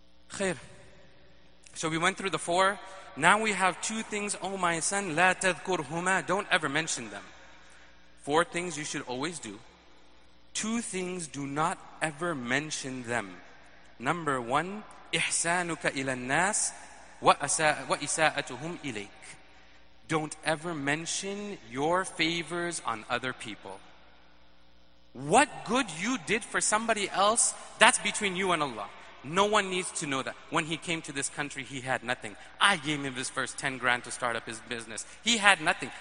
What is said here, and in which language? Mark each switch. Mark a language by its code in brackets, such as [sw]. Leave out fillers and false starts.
[en] Khair. So we went through the four. Now we have two things, oh my son, [ar] لا تذكرهما, [en] don't ever mention them. Four things you should always do. Two things, do not ever mention them. Number one, [ar] إحسانك إلى الناس وإساءتهم إليك. [en] Don't ever mention your favors on other people. What good you did for somebody else, that's between you and Allah. No one needs to know that. When he came to this country, he had nothing. I gave him his first 10 grand to start up his business. He had nothing.